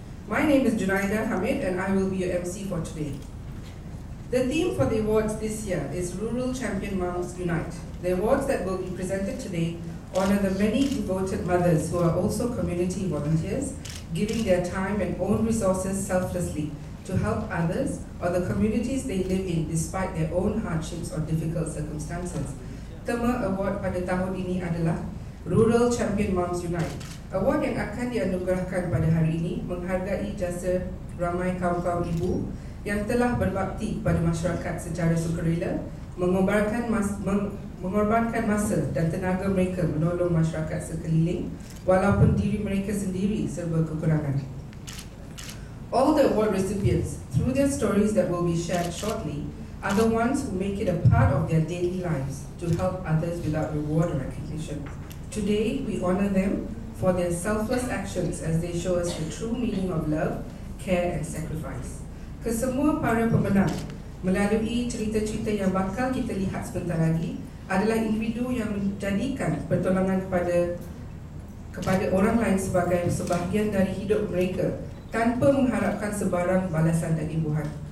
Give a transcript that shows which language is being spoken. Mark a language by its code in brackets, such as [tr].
[en] My name is Junaida Hamid and I will be your MC for today. The theme for the awards this year is Rural Champion Moms Unite. The awards that will be presented today honor the many devoted mothers who are also community volunteers, giving their time and own resources selflessly to help others or the communities they live in despite their own hardships or difficult circumstances. [ms] Tema award pada tahun ini adalah Rural Champion Moms Unite. Award yang akan dianugerahkan pada hari ini menghargai jasa ramai kaum-kaum ibu yang telah berbakti pada masyarakat secara sukarela, mengorbankan masa dan tenaga mereka menolong masyarakat sekeliling walaupun diri mereka sendiri serba kekurangan. [en] All the award recipients, through their stories that will be shared shortly, are the ones who make it a part of their daily lives to help others without reward or recognition. Today, we honor them for their selfless actions as they show us the true meaning of love, care, and sacrifice. [ms] Kesemua para pemenang melalui cerita-cerita yang bakal kita lihat sebentar lagi adalah individu yang menjadikan pertolongan kepada orang lain sebagai sebahagian dari hidup mereka tanpa mengharapkan sebarang balasan dan imbuhan.